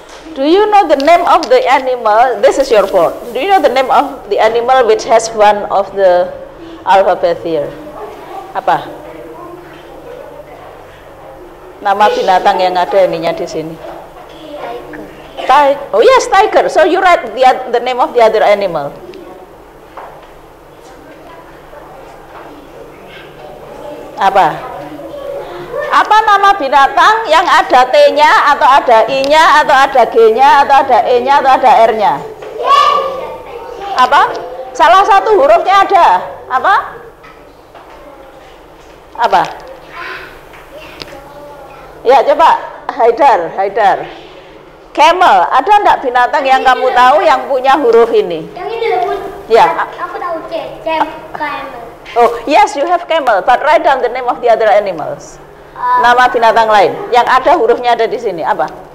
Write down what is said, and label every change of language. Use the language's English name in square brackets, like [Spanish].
[English] Do you know the name of the animal? This is your board. Do you know the name of the animal which has one of the alphabet here? [Indonesian] Apa? Nama binatang yang ada ininya di sini. [English] Tiger. Oh yes, tiger. So you write the name of the other animal. [Indonesian] Apa? Apa nama binatang yang ada T-nya atau ada I-nya atau ada G-nya atau ada E-nya atau ada R-nya? Apa? Salah satu hurufnya ada. Apa? Apa? Ya, coba Haidar, Haidar. Camel, ada enggak binatang yang kamu tahu yang punya huruf ini? Yang ini lembut. Ya. Aku tahu C, camel. [English] Oh, yes, you have camel, but write down the name of the other animals. [Indonesian] Nama binatang lain yang ada hurufnya ada di sini, apa?